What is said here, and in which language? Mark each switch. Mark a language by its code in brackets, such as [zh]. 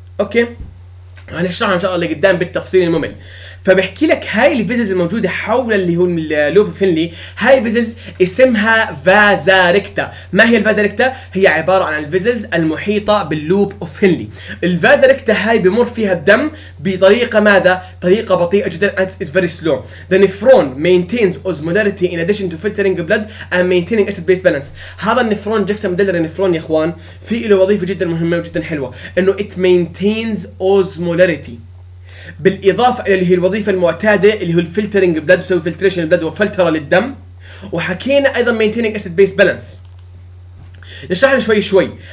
[ar] اوكي، هنشرحها ان شاء الله قدام بالتفصيل الممل. فبحكي لك هاي الفيزلز الموجوده حول اللي هو اللوب فينلي، هاي الفيزلز اسمها فازاركتا. ما هي الفازاركتا؟ هي عباره عن الفيزلز المحيطه باللوب اوف فينلي. الفازاركتا هاي بمر فيها الدم بطريقه ماذا؟ طريقه بطيئه جدا، [en] it's very slow. The nephron maintains osmolarity in addition to filtering blood and maintaining acid base balance. [ar] هذا النفرون جكسون مدلل النفرون يا اخوان، في له وظيفه جدا مهمه وجدا حلوه، انه [en] it maintains osmolarity [ar] بالاضافه الى اللي هي الوظيفه المعتاده اللي هو الفلترنج بلاد، يسوي فلتريشن بلاد وفلتره للدم، وحكينا ايضا مينتيننج اسيد بيس بالانس. نشرح شوي شوي.